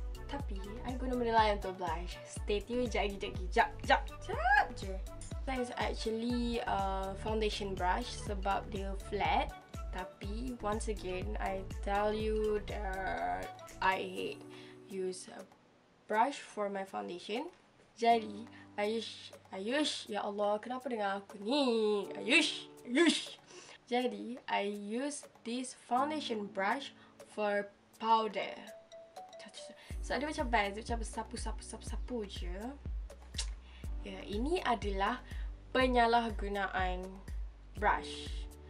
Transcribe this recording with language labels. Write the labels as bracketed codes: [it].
[ms] Tapi, I guna menilai untuk blush. Stay tu jap je. [en] That is actually a foundation brush sebab dia flat. Tapi, once again, I tell you that I hate use a brush for my foundation. [ms] Jadi, Ayush, ya Allah, kenapa dengan aku ni? Ayush! [en] Jadi, I use this foundation brush for powder. [ms] So, dia macam best, dia macam sapu je. Ya, ini adalah penyalahgunaan brush.